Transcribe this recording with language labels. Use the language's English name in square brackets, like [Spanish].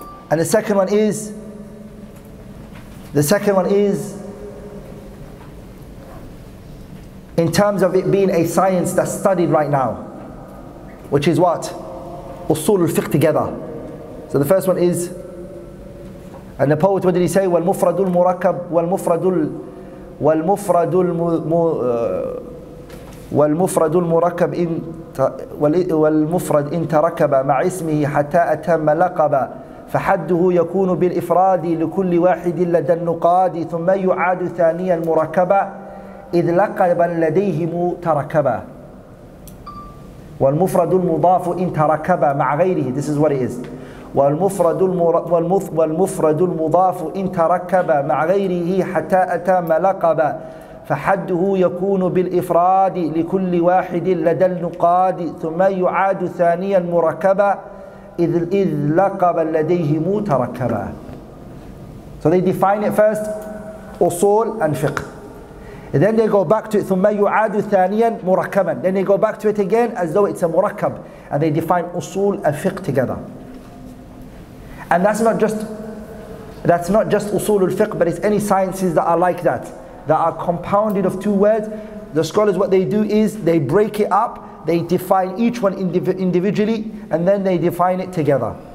[English] And the second one is in terms of it being a science that's studied right now, which is what? [Arabic] أصول الفقه [English] together. So the first one is, and the poet, what did he say? [Arabic] والمفرد المركب والمفرد المركب إن والمفرد إن تركب مع اسمه حتى أتم لقبا فحده يكون بالإفراد لكل واحد لدى النقاد ثم يعاد ثانيا مركبا إذ لقبا لديهم تركبا والمفرد المضاف إن تركب مع غيره. [English] This is what it is. [Arabic] والمفرد المضاف إن تركب مع غيره حتى أتم لقبا فحده يكون بالإفراد لكل واحد لدى النقاد ثم يعاد ثانيا مركبا إذ لقبا لديه متركبا. [English] So they define it first, أصول and فقه. Then they go back to it, [Arabic] ثم يعاد ثانيا مركبا. [English] Then they go back to it again as though it's a مركب. And they define أصول and فقه together. And that's not just أصول الفقه, but it's any sciences that are like that, that are compounded of two words. The scholars, what they do is they break it up, they define each one individually, and then they define it together.